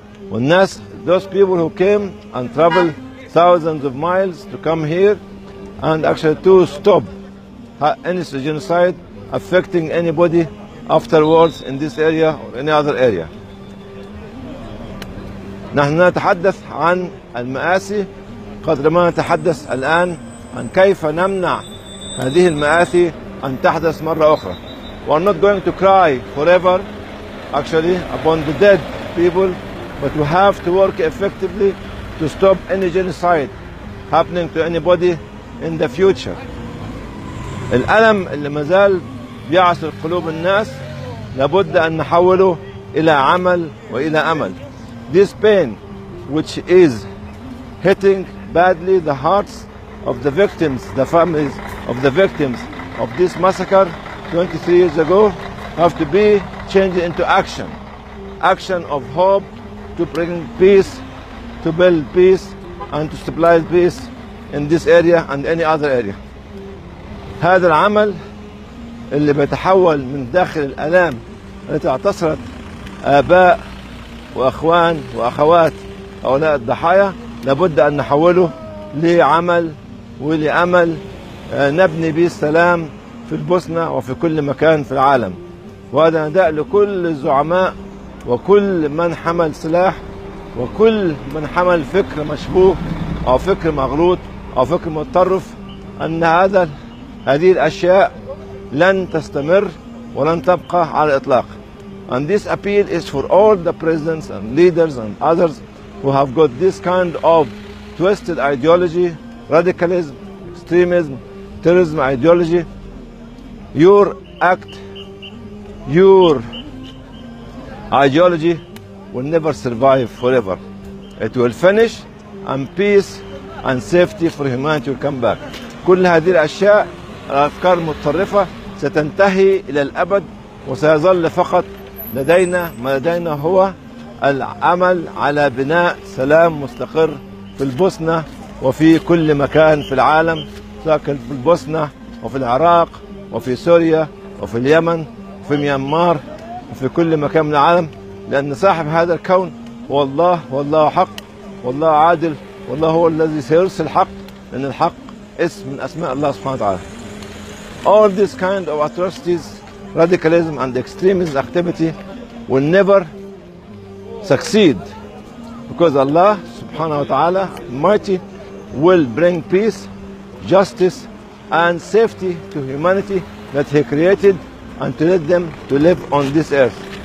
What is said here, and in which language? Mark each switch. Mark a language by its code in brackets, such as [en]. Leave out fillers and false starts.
[en] والناس those people who came and traveled thousands of miles to come here and actually to stop any genocide affecting anybody afterwards in this area or any other area. [ar] نحن نتحدث عن المآسي قدر ما نتحدث الآن عن كيف نمنع هذه المآسي أن تحدث مرة أخرى. [en] We are not going to cry forever actually upon the dead people, but we have to work effectively to stop any genocide happening to anybody in the future. [ar] الألم اللي ما زال بيعصر قلوب الناس لابد أن نحوله إلى عمل وإلى أمل. [en] This pain which is hitting badly the hearts of the victims, the families of the victims of this massacre 23 years ago have to be changed into action. Action of hope to bring peace, to build peace and to supply peace in this area and any other area. [ar] هذا العمل اللي بيتحول من داخل الآلام التي اعتصرت آباء وأخوان وأخوات أولئك الضحايا لابد أن نحوله لعمل ولأمل نبني به السلام في البوسنة وفي كل مكان في العالم. وهذا نداء لكل الزعماء وكل من حمل سلاح وكل من حمل فكر مشبوه أو فكر مغلوط أو فكر متطرف أن هذه الأشياء لن تستمر ولن تبقى على الإطلاق. [en] And this appeal is for all the presidents and leaders and others who have got this kind of twisted ideology, radicalism, extremism, terrorism ideology. Your act, your ideology will never survive forever. It will finish and peace and safety for humanity will come back. [ar] كل هذه الأشياء الأفكار المتطرفة ستنتهي إلى الأبد وسيظل فقط لدينا ما لدينا هو العمل على بناء سلام مستقر في البوسنة وفي كل مكان في العالم، ساكن في البوسنة وفي العراق وفي سوريا وفي اليمن وفي ميانمار وفي كل مكان من العالم، لأن صاحب هذا الكون هو الله، والله حق، والله عادل، والله هو الذي سيرسل الحق، لأن الحق اسم من أسماء الله سبحانه وتعالى. [en] All this kind of atrocities, radicalism and extremism activity will never succeed because Allah subhanahu wa ta'ala mighty will bring peace, justice and safety to humanity that he created and to let them to live on this earth.